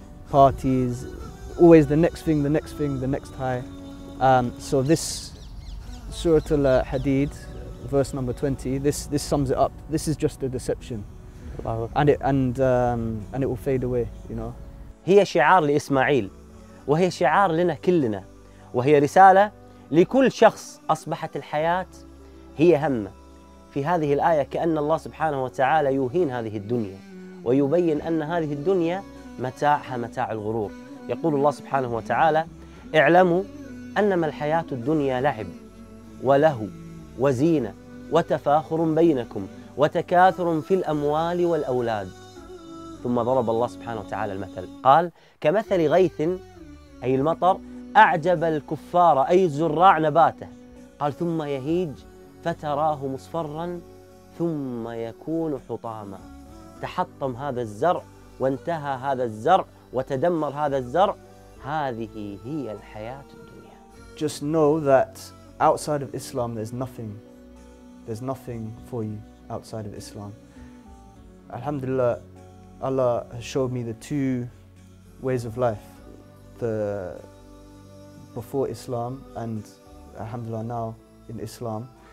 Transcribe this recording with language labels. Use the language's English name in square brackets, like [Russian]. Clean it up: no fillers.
[English] Parties, always the next thing, the next high. So this Surah Al-Hadid, verse number 20, this sums it up. This is just a deception. And it will fade away, you know. [Arabic] هي شعار لإسماعيل وهي شعار لنا كلنا وهي رسالة لكل شخص أصبحت الحياة هي همه. في هذه الآية كأن الله سبحانه وتعالى يوهين هذه الدنيا ويبين أن هذه الدنيا متاعها متاع الغرور. يقول الله سبحانه وتعالى: اعلموا أنما الحياة الدنيا لعب ولهو وزينة وتفاخر بينكم وتكاثر في الأموال والأولاد. ثم ضرب الله سبحانه وتعالى المثل قال: كمثل غيث أي المطر أعجب الكفار أي الزراع نباته قال ثم يهيج فتراه مصفرا ثم يكون حطاما. تحطم هذا الزرع وانتهى هذا الزرع وتدمر هذا الزرع هذه هي الحياة الدنيا. [English] Just know that outside of Islam there's nothing for you outside of Islam. Alhamdulillah, Allah has showed me the two ways of life, the before Islam and alhamdulillah now in Islam.